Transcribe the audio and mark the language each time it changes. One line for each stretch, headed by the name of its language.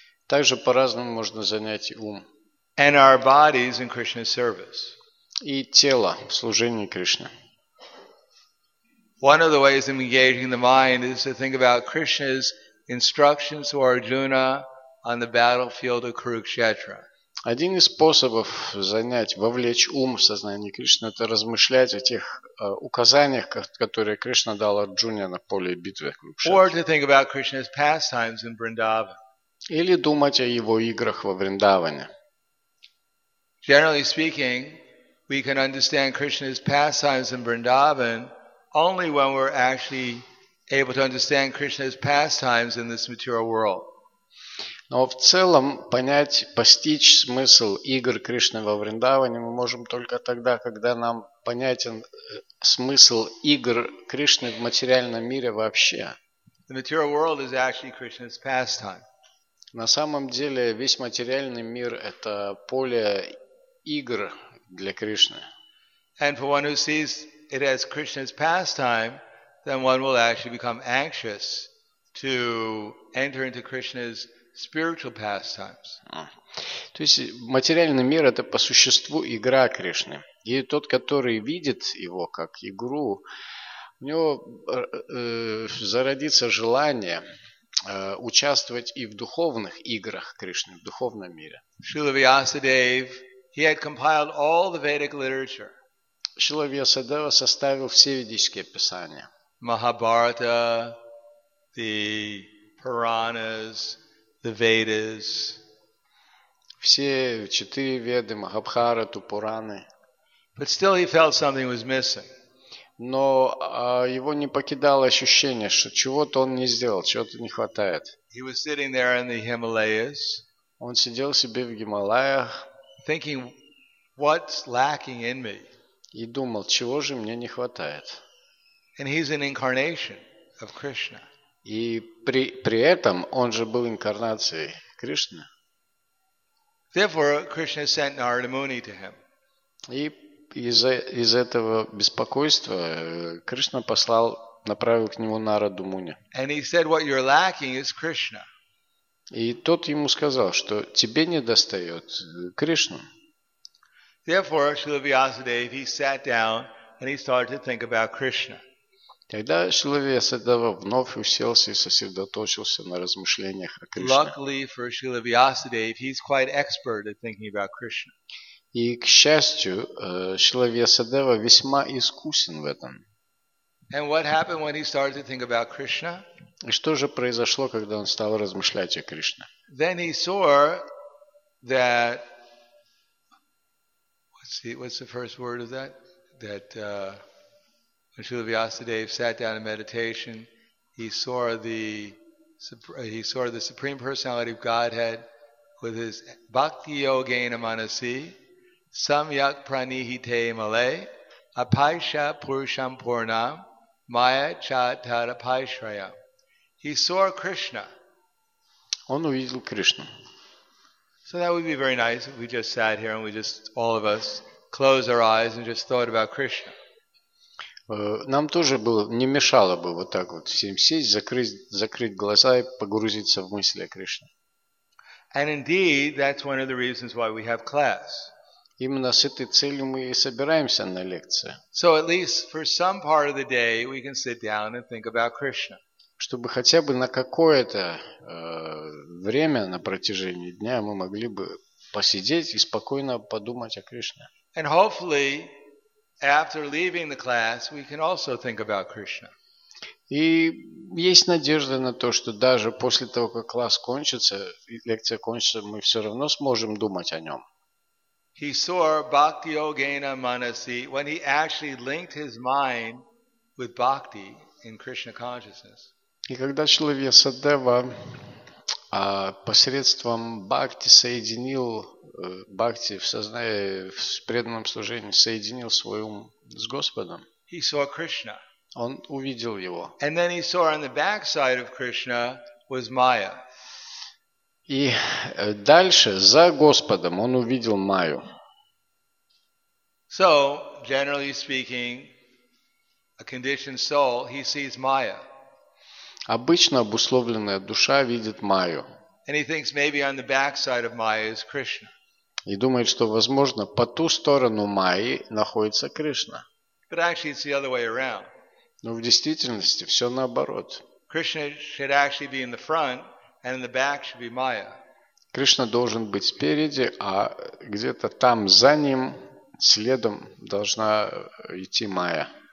Russian: Также по-разному можно занять и ум.
English: And our bodies in Krishna's service.
Russian: И тело в служении Кришне.
English: One of the ways of engaging the mind is to think about Krishna's instructions to Arjuna on the battlefield of Kurukshetra.
Russian: Один из способов занять, вовлечь ум в сознание Кришны, это размышлять о тех указаниях, которые Кришна дал Арджуне на поле битвы Курукшетра.
English: Or to think about Krishna's pastimes in Vrindavan.
Russian: Или думать о его играх во Вриндаване.
English: Generally speaking, we can understand Krishna's pastimes in Vrindavan only when we're actually able to understand Krishna's pastimes in this material world.
Russian: Но в целом понять, постичь смысл игр Кришны во Вриндаване мы можем только тогда, когда нам понятен смысл игр Кришны в материальном мире вообще.
English: The material world is actually Krishna's pastime.
Russian: На самом деле весь материальный мир – это поле игр для Кришны.
English: And for one who sees it as Krishna's pastime, then one will actually become anxious to enter into Krishna's spiritual pastimes.
Russian: То есть материальный мир – это по существу игра Кришны. И тот, который видит его как игру, у него зародится желание участвовать и в духовных играх Кришны, в духовном мире.
English: Srila Vyasadeva, he had compiled all the Vedic literature.
Russian: Srila Vyasadeva составил все ведические писания.
English: Mahabharata, the Puranas, the Vedas.
Russian: Все четыре Веды, Махабхарату, Пураны.
English: But still he felt something was missing.
Russian: Но его не покидало ощущение, что чего-то он не сделал, чего-то не хватает.
English: He was sitting there in the Himalayas.
Russian: Он сидел себе в Гималаях.
English: Thinking, what's lacking in me?
Russian: И думал, чего же мне не хватает?
English: And he's an incarnation of Krishna.
Russian: И при этом он же был инкарнацией Кришны.
English: Therefore, Krishna sent Narada Muni to him.
Russian: И из этого беспокойства Кришна послал, направил к нему Нараду Муни.
English: And he said, what you're lacking is Krishna.
Russian: И тот ему сказал, что тебе недостает Кришну.
English: Therefore, Srila Vyasadeva, he sat down and he started to think about Krishna.
Russian: Тогда Srila Vyasadeva вновь уселся и сосредоточился на размышлениях о Кришне.
English: Luckily for Srila Vyasadeva, he's quite expert at thinking about Krishna.
Russian: И, к счастью, Srila Vyasadeva весьма искусен в этом.
English: And what happened when he started to think about Krishna?
Russian: И что же произошло, когда он стал размышлять о Кришне?
English: Then he saw that what's the first word of that? That when Srila Vyasadeva sat down in meditation, he saw the Supreme Personality of Godhead with his
Sanskrit: bhakti yogena manasi, samyak pranihite male, apaisha purusham purnam, maya cha tad apaishraya.
English: He saw Krishna.
Russian: Он увидел Кришну.
English: So that would be very nice if we just sat here and we just, all of us, close our eyes and just thought about Krishna.
Russian: Нам тоже было, не мешало бы вот так вот всем сесть, закрыть глаза и погрузиться в мысли о Кришне.
English: And indeed, that's one of the reasons why we have class.
Russian: Именно с этой целью мы и собираемся на лекции.
English: So at least for some part of the day we can sit down and think about Krishna.
Russian: Чтобы хотя бы на какое-то время на протяжении дня мы могли бы посидеть и спокойно подумать о Кришне.
English: And hopefully, after leaving the class, we can also think about Krishna.
Russian: И есть надежда на то, что даже после того, как класс кончится, лекция кончится, мы все равно сможем думать о нем.
English: He saw
Sanskrit: bhakti yogena manasi
English: when he actually linked his mind with bhakti in Krishna consciousness.
Russian: И когда Шрила Вьясадева а посредством бхакти соединил бхакти в сознании, в преданном служении, соединил свой ум с Господом.
English: He saw Krishna.
Russian: Он увидел его.
English: And then he saw on the backside of Krishna was Maya.
Russian: И дальше за Господом он увидел Майю.
English: So, generally speaking, a conditioned soul, he sees Maya.
Russian: Обычно обусловленная душа видит Майю.
English: And he thinks maybe on the backside of Maya is Krishna.
Russian: И думает, что возможно по ту сторону Майи находится Кришна.
English: But actually it's the other way around.
Russian: Но в действительности все наоборот.
English: Krishna should actually be in the front. And in the back should be Maya.
Russian: Кришна должен быть спереди, а где-то там за ним следом должна идти Майя.